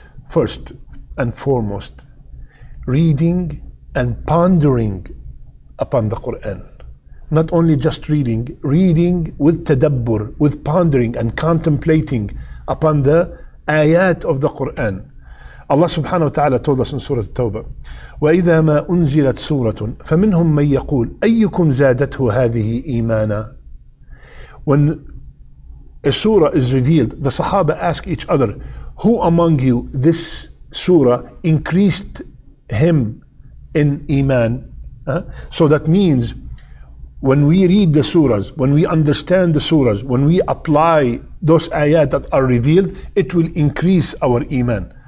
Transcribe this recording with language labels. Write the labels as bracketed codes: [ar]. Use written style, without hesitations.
[en] First and foremost, reading and pondering upon the Quran. Not only just reading with tadabbur, with pondering and contemplating upon the ayat of the Quran. Allah subhanahu wa ta'ala told us in Surah At-Tawbah, [ar] وَإِذَا مَا أُنزِلَتْ سُورَةٌ فَمِنْهُمْ مَنْ يَقُولُ أَيُّكُمْ زَادَتْهُ هَذِهِ إِيمَانًا. [en] When a surah is revealed, the Sahaba ask each other, who among you this surah increased him in iman? So that means when we read the surahs, when we understand the surahs, when we apply those ayat that are revealed, it will increase our iman.